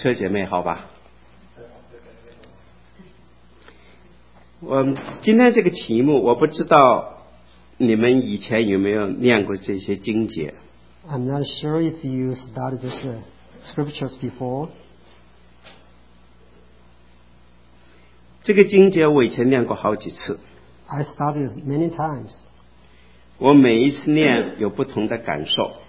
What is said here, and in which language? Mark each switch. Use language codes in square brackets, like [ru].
[zh] 车姐妹好吧，我今天这个题目我不知道你们以前有没有念过这些经节。 [en] I'm not sure if you studied this scriptures before. [zh] 这个经节我以前念过好几次。 [en] I studied many times. [zh] 我每一次念有不同的感受。